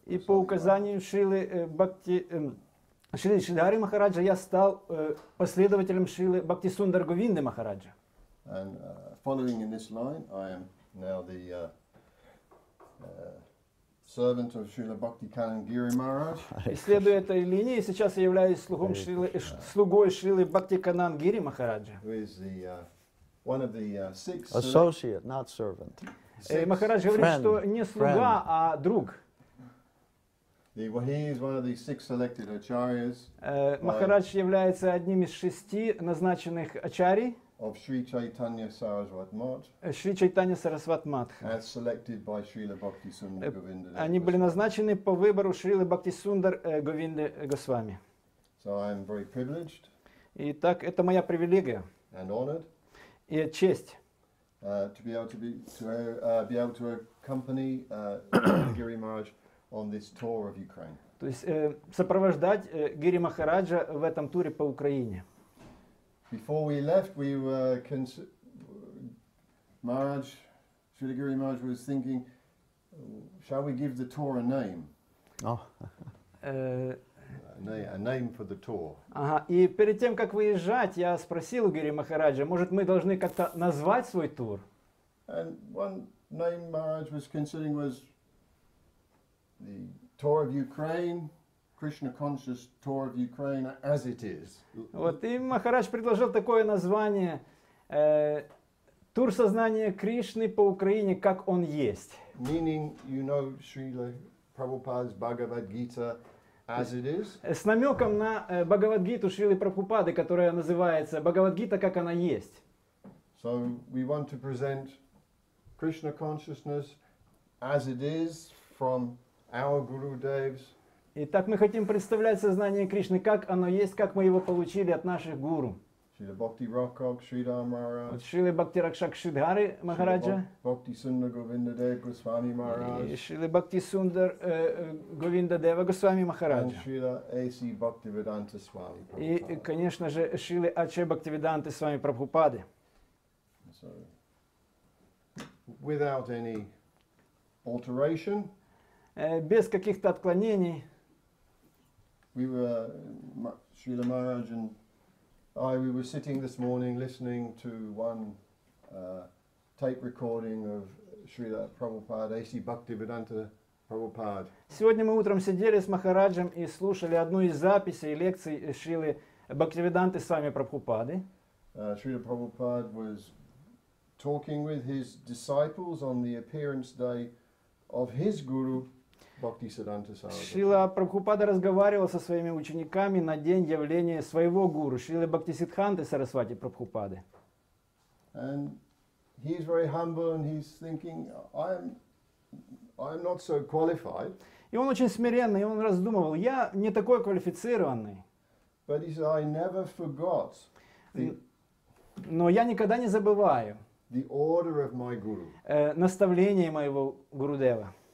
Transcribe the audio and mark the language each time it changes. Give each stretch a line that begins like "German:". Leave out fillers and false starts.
Russian: И по указанию Шрилы Бхакти Шрилы Шридхары Махараджа я стал последователем Шрилы Бхакти Сунда Говинды Махараджа.
English: And following in this line, I am now the servant of Srila Bhakti Kanagiri Maharaj.
Russian: И следуя этой линии, сейчас я являюсь слугом Шрилы слугой Шрилы Бхакти Канангири Махараджа.
English: One of the six associate, not servant.
Russian: Махарадж говорит,
English: friend,
Russian: что не слуга,
English: friend.
Russian: А друг.
English: He is one of the six selected acharyas.
Russian: Махарадж является одним из шести назначенных ачарий.
English: Of Sri Chaitanya Saraswat Mat.
Russian: Шри Чайтанья Сарасват Матха.
English: As selected by Srila Bhakti Sundar Govinda.
Russian: Они были назначены по выбору Шрилы Бхакти Сундар Говинды Госвами.
English: So I am very privileged.
Russian: Итак, это моя привилегия.
English: And honored.
Russian: И честь.
English: To be able to accompany Giri Maharaj on this tour of Ukraine.
Russian: То есть сопровождать Гири Махараджа в этом туре по Украине.
English: Before we left, we were Maharaj, Srila Giri Maharaj was thinking, shall we give the tour a name? Oh. A name for the tour. Ага.
Russian: И перед тем, как выезжать, я спросил у Гири Махараджа, может, мы должны как-то назвать свой тур?
English: And one name Maharaj was considering was the tour of Ukraine, Krishna conscious tour of Ukraine as it is.
Russian: Вот, и Махарадж предложил такое название, тур сознания Кришны по Украине, как он есть.
English: Meaning, you know, Srila Prabhupada's Bhagavad Gita, as it is.
Russian: С намеком на Бхагавадгиту Шрилы Прабхупады, которая называется Бхагавадгита, как она есть.
English: So we want to present Krishna consciousness as it is from our Guru Devs.
Russian: Итак, мы хотим представлять сознание Кришны, как оно есть, как мы его получили от наших гуру. Шрила Бхакти Ракшак Шридхара Махараджа. Шрила Бхакти Ракшак Шридхара Махараджа. Бхакти Сунда Говинда Дева Госвами Махараджа. Шрила Бхакти Сунда Говинда Дева Госвами Махараджа. Шрила Аси Бхакти Веданта Свами. И, конечно же, Шрила Аче Бхакти Веданта Свами Прабхупады.
English: So, without any alteration.
Russian: Без каких-то отклонений.
English: We were Шрила Махарадж and we were sitting this morning listening to one tape recording of Srila Prabhupada, A.C. Bhaktivedanta Prabhupada.
Russian: Сегодня мы утром сидели с Махараджем и слушали одну из записей лекций Шрилы Бхактивиданты Свами Прабхупады.
English: Srila Prabhupada was talking with his disciples on the appearance day of his guru.
Russian: Шрила Прабхупада разговаривал со своими учениками на день явления своего гуру, Шрилы Бхактисиддханты Сарасвати Прабхупады.
English: And he's very humble and he's thinking, I'm not so qualified.
Russian: И он очень смиренный, он раздумывал, я не такой квалифицированный.
English: But he said, I never forgot.
Russian: Но я никогда не забываю.
English: The order of my guru.
Russian: Наставление моего гурудева.